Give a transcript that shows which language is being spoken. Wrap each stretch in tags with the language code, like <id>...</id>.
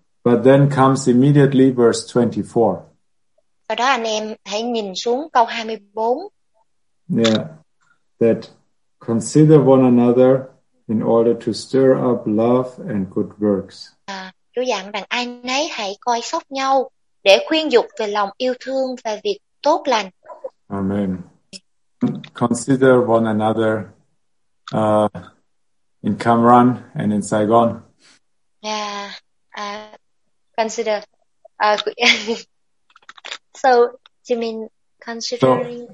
<en>But then comes immediately verse 24.</en> <vi>Và đó anh em hãy nhìn xuống câu 24.</vi> <en>Yeah. That consider one another in order to stir up love and good works.</en> <vi>À, Chúa dặn rằng ai nấy hãy coi sóc nhau để khuyên dục về lòng yêu thương và việc tốt lành.</vi> <en>Amen. Consider one another in Cam Ranh and in Saigon. Yeah. Consider. So, do you mean considering?</en>